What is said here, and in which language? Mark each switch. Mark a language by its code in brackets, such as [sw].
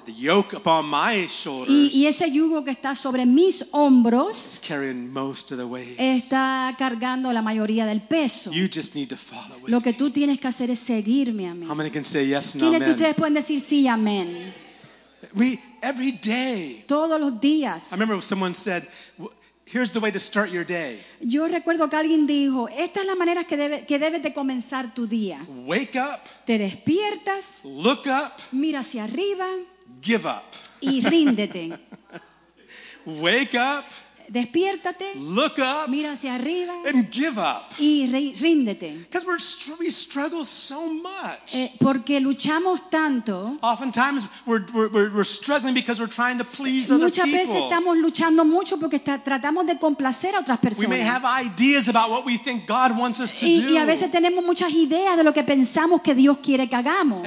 [en] The yoke upon my shoulders. [es] Y ese yugo que está sobre mis hombros. [en] Is carrying most of the weight. [es] Está cargando la mayoría del peso. [en] You just need to follow with [es] me. Lo que tú tienes que hacer es seguirme a mí. [en] How many can say yes and amen? [es] ¿Quiénes de ustedes pueden decir sí y amén? [en] We every day. [es] Todos los días. [en] I remember someone said, "Here's the way to start your day." [es] Yo recuerdo que alguien dijo, "Esta es la manera que debes de comenzar tu día." [en] Wake up. [es] Te despiertas. [en] Look up. [es] Mira hacia arriba. [en] Give up. [es] Y ríndete. [en] Wake up. [es] Despiértate. [en] Look up. [es] Mira hacia arriba. [en] And give up. [es] Y ríndete. [en] Because we struggle so much. [es] Porque luchamos tanto. [en] Oftentimes we're struggling because we're trying to please other people. [es] Muchas veces estamos luchando mucho porque tratamos de complacer a otras personas. [en] We may have ideas about what we think God wants us to do. [es] Y a veces tenemos muchas ideas de lo que pensamos que Dios quiere que hagamos.